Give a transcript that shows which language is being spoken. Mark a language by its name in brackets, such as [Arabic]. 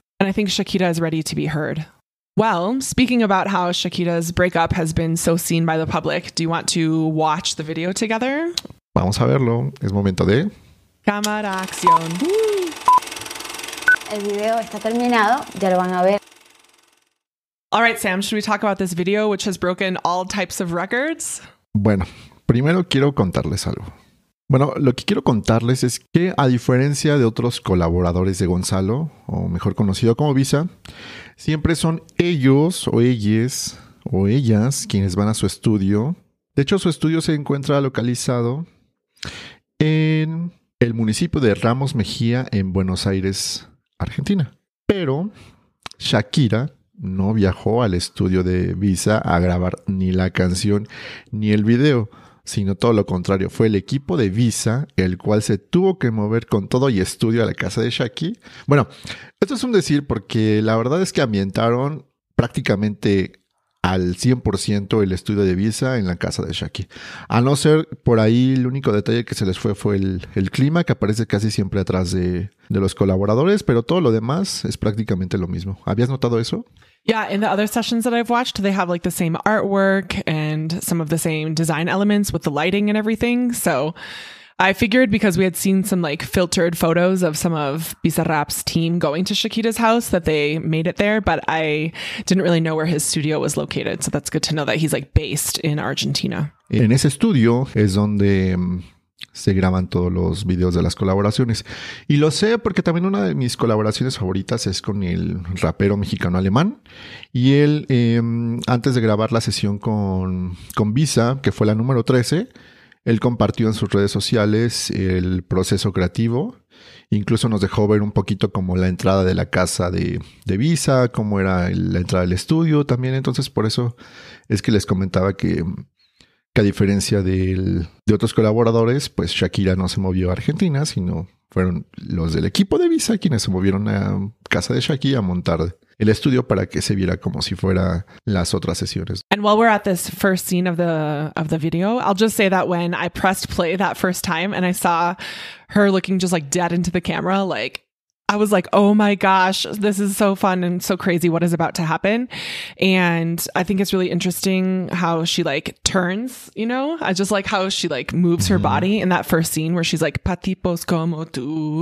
[English] And I think Shakira is ready to be heard. Well, speaking about how Shakira's breakup has been so seen by the public, do you want to watch the video together? [Spanish] Vamos a verlo. Es momento de cámara, acción. El video está terminado. Ya lo van a ver. [English] All right, Sam, should we talk about this video, which has broken all types of records? [Spanish] Bueno, primero quiero contarles algo. Bueno, lo que quiero contarles es que, a diferencia de otros colaboradores de Gonzalo, o mejor conocido como Visa, siempre son ellos o ellas o ellas quienes van a su estudio. De hecho, su estudio se encuentra localizado en el municipio de Ramos Mejía, en Buenos Aires, Argentina. Pero Shakira no viajó al estudio de Visa a grabar ni la canción ni el video, sino todo lo contrario. Fue el equipo de Visa el cual se tuvo que mover con todo y estudio a la casa de Shaki. Bueno, esto es un decir porque la verdad es que ambientaron prácticamente al 100% el estudio de Visa en la casa de Shaki. A no ser por ahí, el único detalle que se les fue el clima, que aparece casi siempre atrás de los colaboradores, pero todo lo demás es prácticamente lo mismo. ¿Habías notado eso? [English] Yeah, in the other sessions that I've watched, they have like the same artwork and some of the same design elements with the lighting and everything. So I figured because we had seen some like filtered photos of some of Bizarrap's team going to Shakira's house that they made it there, but I didn't really know where his studio was located. So that's good to know that he's like based in Argentina. [Spanish] En ese estudio es donde se graban todos los videos de las colaboraciones. Y lo sé porque también una de mis colaboraciones favoritas es con el rapero mexicano alemán. Y él, antes de grabar la sesión con Visa, que fue la número 13, él compartió en sus redes sociales el proceso creativo. Incluso nos dejó ver un poquito como la entrada de la casa de Visa, cómo era la entrada del estudio también. Entonces, por eso es que les comentaba que a diferencia de otros colaboradores, pues Shakira no se movió a Argentina, sino fueron los del equipo de Visa quienes se movieron a casa de Shakira a montar el estudio para que se viera como si fuera las otras sesiones. [English] And while we're at this first scene of the video, I'll just say that when I pressed play that first time and I saw her looking just like dead into the camera, like I was like, oh my gosh, this is so fun and so crazy. What is about to happen? And I think it's really interesting how she like turns, you know, I just like how she like moves her body in that first scene where she's like, [Spanish] patipos como tú.